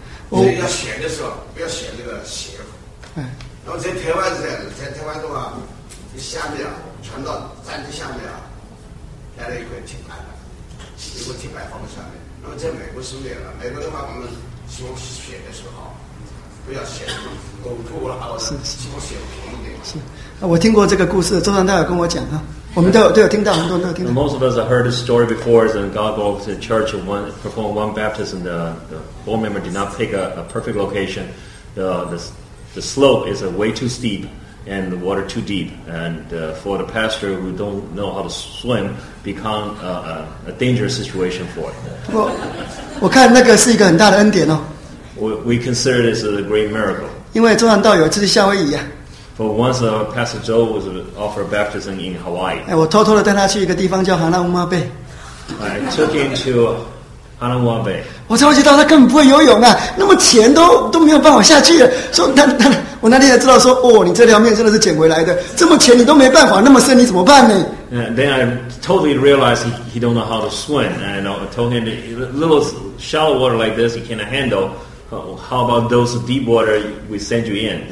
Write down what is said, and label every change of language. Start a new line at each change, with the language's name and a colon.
Chinese: 所以要选的时候，不要选那个斜坡。然后在台湾是这样的，在台湾的话，你下面啊，船到站子下面啊，来了一块铁板，一块铁板放在上面。那么在美国是没有了，美国的话，我们希望选的时候不要选陡坡了，希望选平一点。是，我听过这个故事，周长大有跟我讲啊。我们都有听到，很多人都有听到。
English: Most of us have heard this story before. And God goes to church and perform one baptism. The board member did not pick a perfect location. The slope is way too steep, and the water too deep. And for the pastor who don't know how to swim, become a dangerous situation for it.
Chinese: 我看那个是一个很大的恩典哦。
English: We consider this a great miracle.
Chinese: 因为周长道有一次去夏威夷啊。
English: For once, Pastor Joe was offered baptism in Hawaii.
Chinese: 哎，我偷偷的带他去一个地方叫 Hanauma Bay.
English: I took him to Hanauma Bay.
Chinese: 我才会知道他根本不会游泳啊，那么浅都没有办法下去了。说他，我那天才知道说，哦，你这条命真的是捡回来的，这么浅你都没办法，那么深你怎么办呢
English: then I totally realized he don't know how to swim. And I told him, little shallow water like this, he can't handle. How about those deep water we send you in?